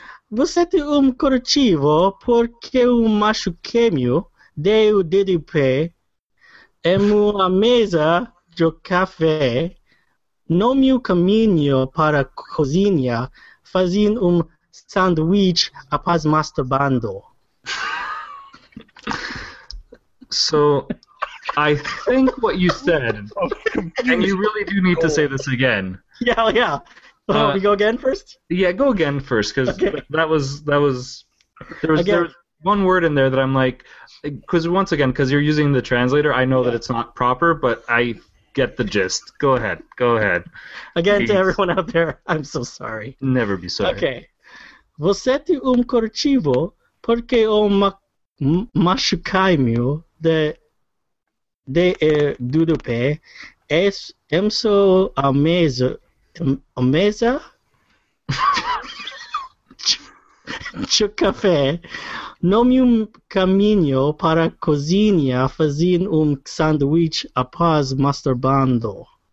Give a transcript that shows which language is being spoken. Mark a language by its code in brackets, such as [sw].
[pt] Você tem corretivo porque machuquei-me deu dedo pé em uma mesa de café. No meu caminho para a cozinha fazendo sanduíche após masturbando. [en] So, I think what you said, and you really do need to say this again. Yeah. We go again first? Yeah, go again first, because there was one word in there that I'm like, because once again, because you're using the translator, I know that it's not proper, but I get the gist. Go ahead. Again, please. To everyone out there, I'm so sorry. Never be sorry. Okay. [pt] Você tem corretivo porque eu machucai-me de dedo pé em sua mesa de café no meu caminho para a cozinha fazendo sanduíche após masturbando.